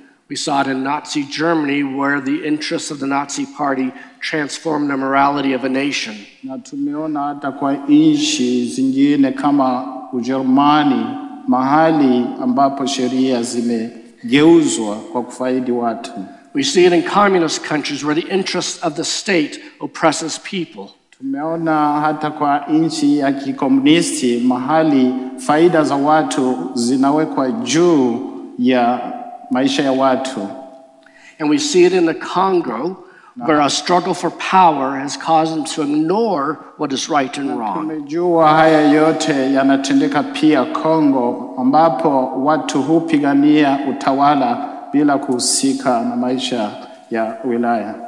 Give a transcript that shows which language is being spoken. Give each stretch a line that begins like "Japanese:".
English: We saw it in Nazi Germany, where the interests of the Nazi Party transformed the morality of a nation.
Swahili: Na tumeona hata kwa inchi zingine kama Ujerumani, mahali ambapo sheria zimegeuzwa kwa kufaidi watu.
English: We see it in communist countries, where the interests of the state oppresses people.
Swahili: Tumeona hata kwa inchi ya kikomunisti, mahali faida za watu zinawekwa juu ya maisha ya watu.
English: And we see it in the Congo, where a struggle for power has caused them to ignore what is right and wrong.
Swahili: Tumejua haya yote yanatendeka pia Congo, ambapo watu hupigania utawala bila kuhusika na maisha ya wilaya.